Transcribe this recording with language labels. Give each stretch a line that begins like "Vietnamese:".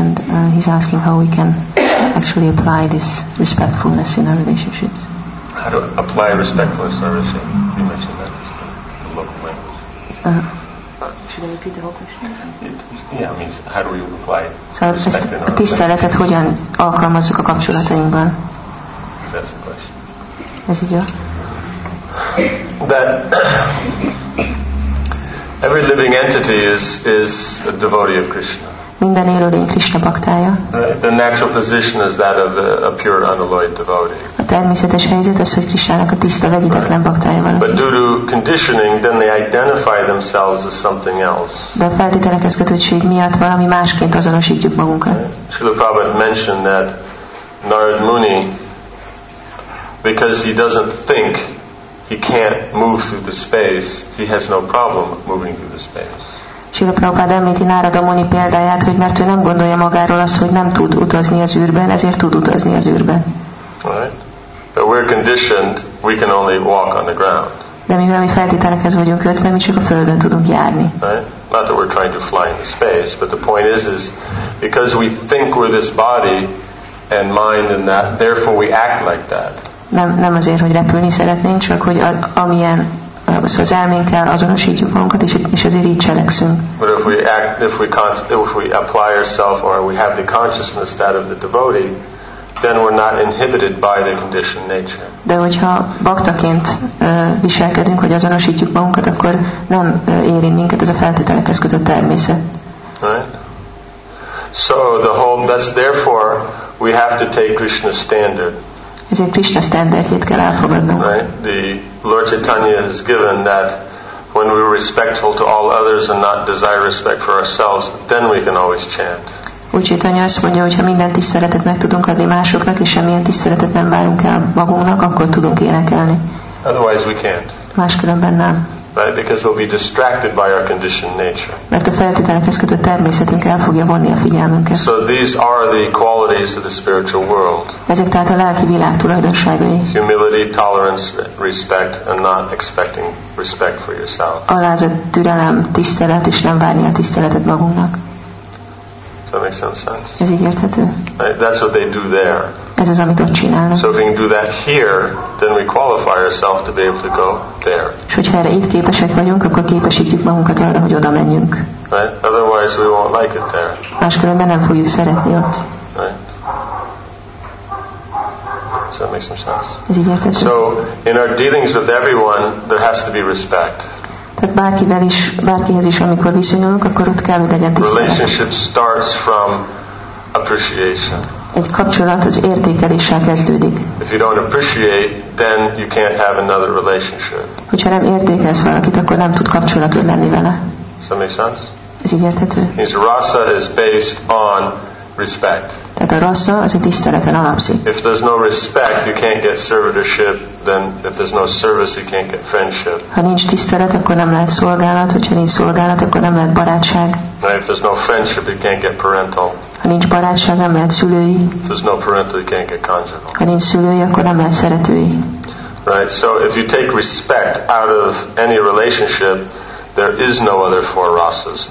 English: And he's asking how we can actually apply this respectfulness in our relationships. How to apply respectfulness in our relationship? You mentioned that in the local language. Should I repeat the whole question? Yeah, it means how do we apply so respect in our relationship?
Hungarian: Hogyan alkalmazzuk a kapcsolatainkban?
English: That's the question.
Hungarian: Ez így jó.
English: That every living entity is a devotee of Krishna.
Hungarian: Minden élő lény Krishna baktája.
English: The natural position is that of a pure unalloyed devotee.
Hungarian: A természetes helyzet az, hogy Krishnának a tiszta vegyületlen baktája valaki.
English: But due to conditioning, then they identify themselves as something else.
Hungarian: De a feltételekhez kötöttség miatt valami másként azonosítjuk magunkat.
English: Srila Prabhupada mentioned that Narad Muni, because he doesn't think he can't move through the space, he has no problem moving through the space.
Hungarian: Srila Prabhupada említi Narada Muni példáját, hogy mert ő nem gondolja magáról azt, hogy nem tud utazni az űrben, ezért tud utazni az űrben.
English: Right. But we're conditioned, we can only walk on the ground.
Hungarian: De mivel mi feltételekhez vagyunk kötve, mi csak a földön tudunk járni.
English: Right. Not that we're trying to fly in the space, but the point is because we think we're this body and mind and that, therefore we act like that.
Hungarian: Nem azért, hogy repülni szeretnénk, csak hogy amilyen az elménkkel azonosítjuk magunkat, és azért így cselekszünk.
English: But if we apply ourselves or we have the consciousness that of the devotee, then we're not inhibited by the conditioned nature.
Hungarian: De hogyha baktaként viselkedünk, hogy azonosítjuk magunkat, akkor nem éri minket ez a feltételekhez kötött természet.
English: Right. So the whole, that's therefore we have to take Krishna's standard.
Hungarian: Ezért Krishna standardjét kell elfogadnunk.
English: Right. The Lord Chaitanya has given that when we're respectful to all others and not desire respect for ourselves, then we can always chant.
Hungarian: Úgyhogy anya azt mondja, hogy ha minden tiszteletet meg tudunk adni másoknak, és semmilyen tiszteletet nem várunk el magunknak, akkor tudunk énekelni.
English: Otherwise we can't.
Hungarian: Máskülönben nem.
English: Right? Because we'll be distracted by our conditioned nature.
Hungarian: Mert a feltételekhez kötött természetünk el fogja vonni a figyelmünket.
English: So these are the qualities of the spiritual world.
Hungarian: Ezek tehát a lelki világ tulajdonságai.
English: Humility, tolerance, respect, and not expecting respect for yourself.
Hungarian: Alázat, türelem, tisztelet, és nem várni a tiszteletet magunknak.
English: Does that make some sense?
Hungarian: Ez így érthető?
English: Right? That's what they do there.
Hungarian: Ez az, amit ott csinálnak.
English: So if we can do that here, then we qualify ourselves to be able to go there.
Hungarian: És hogyha erre itt képesek vagyunk, akkor képesítjük magunkat arra, hogy oda menjünk.
English: Right? Otherwise we won't like it there.
Hungarian: Máskülönben nem fogjuk szeretni ott.
English: Right? Does that make some sense?
Hungarian: Ez így érthető?
English: So in our dealings with everyone, there has to be respect.
Hungarian: Tehát bárkivel is, bárkihez is, amikor viszonyulunk, akkor ott kell legyen tisztelet.
English: Relationship starts from appreciation.
Hungarian: Egy kapcsolat az értékeléssel kezdődik.
English: If you don't appreciate, then you can't have another relationship.
Hungarian: Hogyha nem értékelsz valakit, akkor nem tud kapcsolatod lenni vele.
English: Does that make sense?
Hungarian: Ez így érthető?
English: His rasa is based on respect.
Hungarian: Tehát a rasa az a tiszteleten alapszik.
English: If there's no respect, you can't get servitorship. Then if there's no service, you can't get friendship.
Hungarian: Ha nincs tisztelet, akkor nem lehet szolgálat. Ha nincs szolgálat, akkor nem lehet barátság.
English: And if there's no friendship, you can't get parental.
Hungarian: Ha nincs barátság, nem lehet szülői.
English: If there's no parental, you can't get conjugal.
Hungarian: Ha nincs szülői, akkor nem lehet szeretői.
English: Right. So if you take respect out of any relationship, there is no other four rasas.